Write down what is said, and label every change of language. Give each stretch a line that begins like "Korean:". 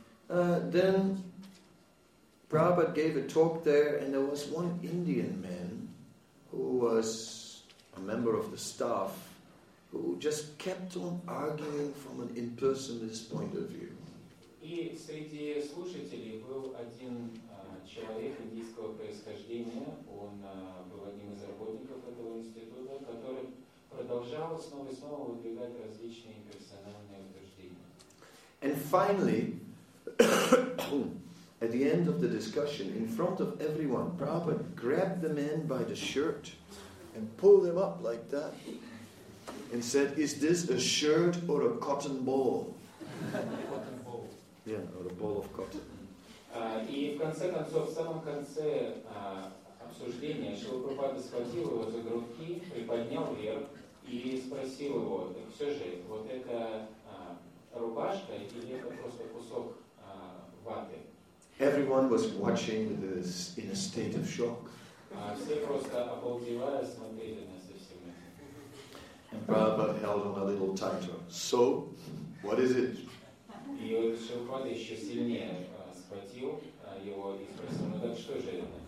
English: Then Prabhupada gave a talk there, and there was one Indian man who was a member of the staff who just kept on arguing from an impersonalist point of view.
Russian: И среди слушателей был один человек индийского происхождения, он был одним из работников этого института, который продолжал снова и снова выдвигать различные персональные утверждения.
English: And finally, at the end of the discussion, in front of everyone, Prabhupada grabbed the man by the shirt and pulled him up like that and said, "Is this a shirt or a cotton ball?" Cotton ball. Yeah, or a ball of cotton.
Russian: И в конце концов, в самом конце обсуждения, Шрила Прабхупада схватил его за грудки, приподнял вверх и спросил его, так все же, вот это рубашка или это просто кусок ваты?
English: Everyone was watching this in a state of shock.
Russian: Все просто обалдевая смотрели на совсем.
English: And Prabhupada held on a little tighter. So, what is it?
Russian: И вот Шрила Прабхупада еще сильнее схватил его и спросил, ну так что же это?